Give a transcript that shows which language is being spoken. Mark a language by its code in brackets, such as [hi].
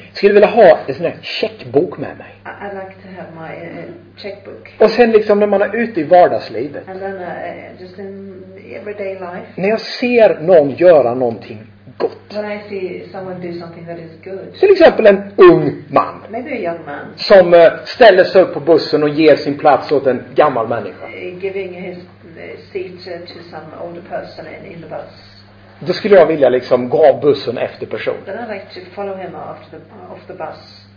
[sv] Skulle vilja ha en sån här checkbok med mig. [en] I'd like to have my checkbook. [sv] Och sen liksom när man är ute i vardagslivet. [en] And then just in everyday life. [sv] När jag ser någon göra någonting gott. [en] When I see someone do something that is good. [sv] Till exempel en ung man. [en] Maybe a young man. [sv] Som ställer sig upp på bussen och ger sin plats åt en gammal människa. [en] Giving his seat to some older person in the bus. [sv] Då skulle jag vilja liksom gå av bussen efter personen. [en] Then I like to follow him after the off the bus.